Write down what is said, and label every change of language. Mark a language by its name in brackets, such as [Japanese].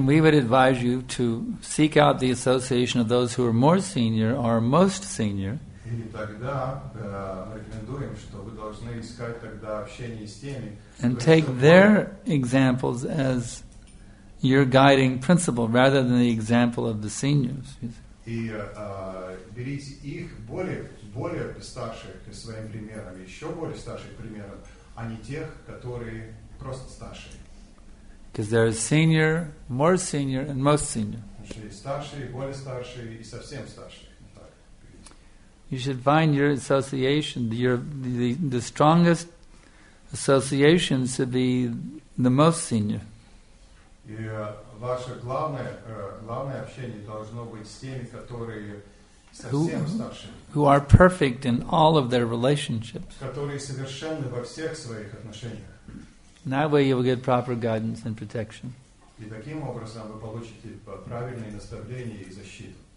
[English] Then we would advise you to seek out the association of those who are more senior or most senior. [Russian] И тогда мы рекомендуем, что вы должны искать тогда общение с теми, [English] and take their examples as your guiding principle rather than the example of the seniors. [Russian] И берите их более старших своим примером, еще более старших примером, а не тех, которые просто старшие. [English] Because there is senior, more senior, and most senior. [Russian] Старшие, более старшие и совсем старшие. [English] You should find your association. The strongest association should be the most senior. [Russian] И ваше главное общение должно быть с теми, которые совсем старше. [English] Who are perfect in all of their relationships. [Russian] Которые совершенны во всех своих отношениях. [English] That way you will get proper guidance and protection. [Russian] И таким образом вы получите правильные наставления и защиту.